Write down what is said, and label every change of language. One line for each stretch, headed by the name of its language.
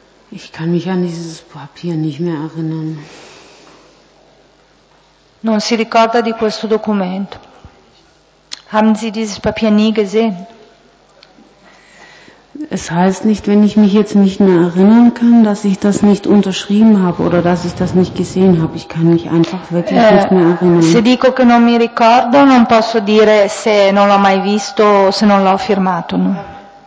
German: Ich kann mich an dieses Papier nicht mehr erinnern.
Italian: Non si ricorda di questo documento.
German: Haben Sie dieses Papier nie gesehen? Es heißt nicht, wenn ich mich jetzt nicht mehr erinnern kann, dass ich das nicht unterschrieben habe oder dass ich das nicht gesehen habe. Ich kann mich einfach wirklich nicht mehr erinnern.
Italian: Se dico che non mi ricordo, non posso dire se non l'ho mai visto o se non l'ho firmato, no?